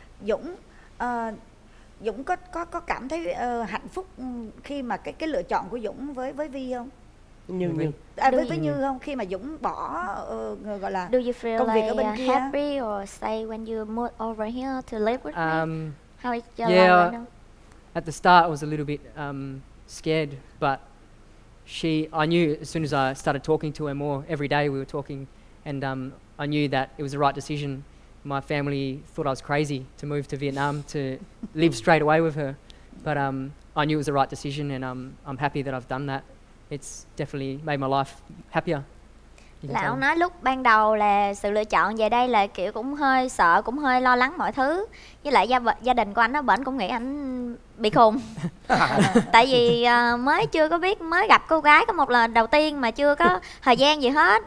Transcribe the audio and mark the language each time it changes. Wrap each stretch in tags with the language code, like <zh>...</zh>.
<vi>Dũng Dũng có cảm thấy hạnh phúc khi mà cái lựa chọn của Dũng với Vi không? Như không, khi mà Dũng bỏ gọi là công việc like ở bên kia.</vi> <en>Happy or stay when you move over here to live with me? How is your life right now? At the start I was a little bit scared, but I knew as soon as I started talking to her more every day, we were talking, and I knew that it was the right decision. My family thought I was crazy to move to Vietnam to live straight away with her, but I knew it was the right decision, and I'm happy that I've done that. It's definitely made my life happier.</en> <vi>Là ông nói lúc ban đầu là sự lựa chọn về đây là kiểu cũng hơi sợ, cũng hơi lo lắng mọi thứ. Với lại gia đình của anh nó bển cũng nghĩ anh bị khùng. Tại vì mới chưa có biết, mới gặp cô gái có một lần đầu tiên mà chưa có thời gian gì hết.</vi>